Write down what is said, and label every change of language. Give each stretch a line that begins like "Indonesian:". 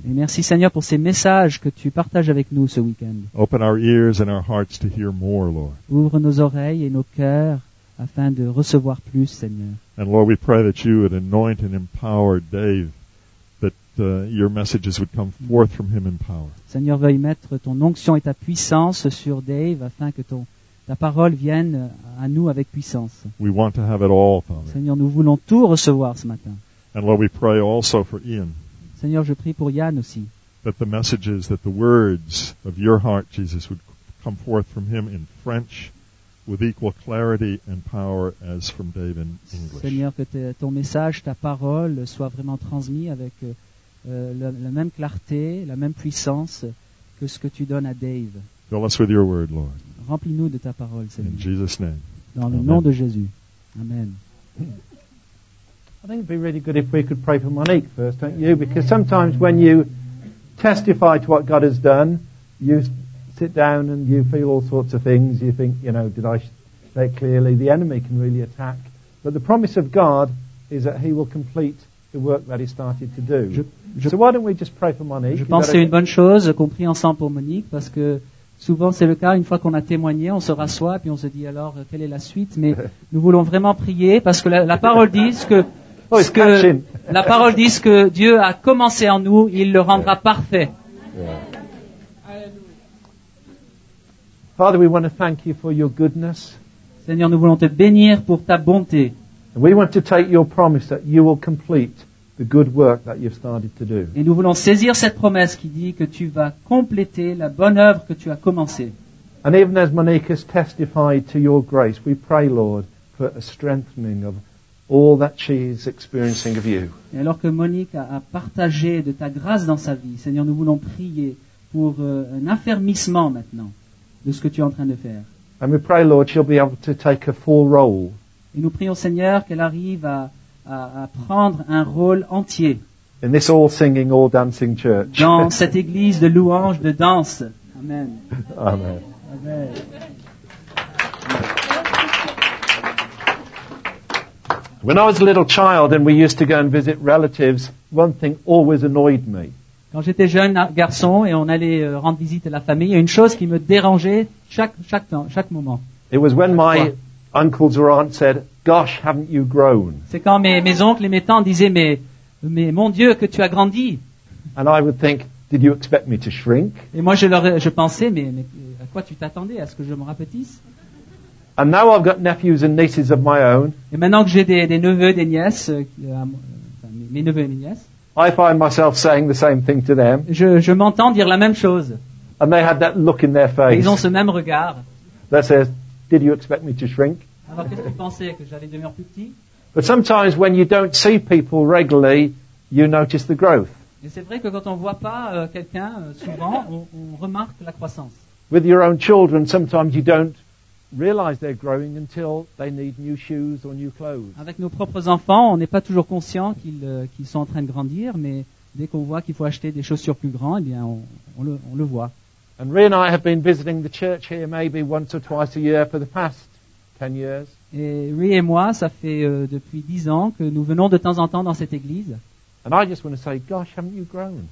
French: Et merci, Seigneur, pour ces messages que tu partages avec nous ce weekend.
English: Open our ears and our hearts to hear more, Lord.
French: Ouvre nos oreilles et nos cœurs afin de recevoir plus, Seigneur.
English: And Lord, we pray that you would anoint and empower Dave, that your messages would come forth from him in power.
French: Seigneur, veuille mettre ton onction et ta puissance sur Dave afin que ta parole vienne à nous avec puissance.
English: We want to have it all, Father.
French: Seigneur, nous voulons tout recevoir ce matin.
English: And Lord, we pray also for Ian.
French: Seigneur, je prie pour Ian aussi.
English: That the messages, that the words of your heart, Jesus, would come forth from him in French with equal clarity and power as from Dave in English.
French: Seigneur, que ton message, ta parole, soit vraiment transmis avec la même clarté, la même puissance que ce que tu donnes à Dave.
English: Fill us with your word, Lord.
French: Remplis-nous de ta parole, Seigneur.
English: In Jesus' name.
French: Dans le nom de Jésus. Amen.
English: I think it'd be really good if we could pray for Monique first, don't you? Because sometimes when you testify to what God has done, you sit down and you feel all sorts of things. You think, you know, did I say it clearly? The enemy can really attack. But the promise of God is that he will complete the work that he started to do. So why don't we just pray for Monique?
French: Je pense que c'est une bonne chose, compris ensemble pour Monique, parce que souvent c'est le cas, une fois qu'on a témoigné, on se rassoit, puis on se dit alors, quelle est la suite? Mais nous voulons vraiment prier, parce que la parole dit ce que... la parole dit que Dieu a commencé en nous, il le rendra parfait.
English: Yeah. Father, we want to thank you for your goodness.
French: Seigneur, nous voulons te bénir pour ta bonté.
English: And we want to take your promise that you will complete the good work that you've started to do.
French: Et nous voulons saisir cette promesse qui dit que tu vas compléter la bonne œuvre que tu as commencée.
English: And even as Monique has testified to your grace, we pray, Lord, for a strengthening of all that she is experiencing of you.
French: Et alors que Monique a partagé de ta grâce dans sa vie, Seigneur, nous voulons prier pour un affermissement maintenant de ce que tu es en train de faire.
English: And we pray, Lord, she'll be able to take a full role.
French: Et nous prions, Seigneur, qu'elle arrive à prendre un rôle entier.
English: In this all singing, all dancing church.
French: Dans cette église de louanges, de danse. Amen.
English: Amen. Amen. When I was a little child and we used to go and visit relatives, one thing always annoyed me.
French: Quand j'étais jeune garçon et on allait rendre visite à la famille, il y a une chose qui me dérangeait chaque temps, chaque moment.
English: It was when my uncles or aunts said, "Gosh, haven't you grown?"
French: C'est quand mes oncles et mes tantes disaient, mais mon Dieu, que tu as grandi.
English: And I would think, "Did you expect me to shrink?"
French: Et moi je pensais, mais à quoi tu t'attendais? À ce que je me rapetisse?
English: And now I've got nephews and nieces of my own.
French: Et maintenant que j'ai des neveux, des nièces, mes neveux et mes nièces.
English: I find myself saying the same thing to them.
French: Je m'entends dire la même chose.
English: And they had that look in their face.
French: Ils ont ce même regard.
English: That says, "Did you expect me to shrink?"
French: Alors qu'est-ce qu'ils pensaient, que j'allais devenir plus petit?
English: But sometimes when you don't see people regularly, you notice the growth.
French: Et c'est vrai que quand on voit pas quelqu'un souvent, on remarque la croissance.
English: With your own children, sometimes you don't realize they're growing until they need new shoes or new clothes.
French: Avec nos propres enfants, on n'est pas toujours conscient qu'ils sont en train de grandir, mais dès qu'on voit qu'il faut acheter des chaussures plus grandes, eh bien on le voit.
English: And Ray and I have been visiting the church here maybe once or twice a year for the past 10 years.
French: Et Ray et moi, ça fait depuis 10 ans que nous venons de temps en temps dans cette église.
English: And I just want to say, "Gosh, haven't you grown?"